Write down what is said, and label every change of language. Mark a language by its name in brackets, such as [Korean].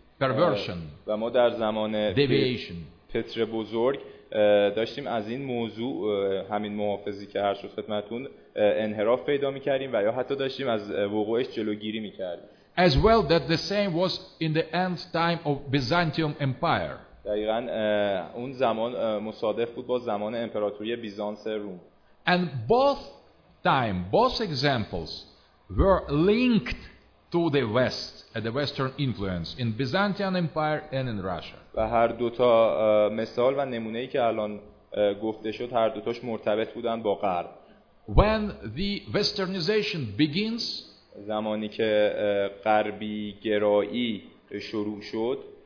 [English] Perversion. [Persian] و ما در زمان [English] deviation. [Persian] پتر بزرگ داشتیم از این موضوع همین محافظی که هر شد خدمتون انحراف پیدا میکردیم و یا حتی داشتیم از وقوعش جلوگیری میکردیم. [English] As well that the same was in the end time of Byzantium Empire. [Persian] دقیقا اون زمان مصادف بود با زمان امپراتوری بیزانس روم. [English] And both time, both examples were linked to the West and the Western influence in Byzantian Empire and in Russia. [Persian] و هر دو تا مثال و نمونه‌ای که الان گفته شد هر دو تاش مرتبط بودن با غرب. [English] When the westernization begins, [Persian] زمانی که غربی گرایی شروع شد,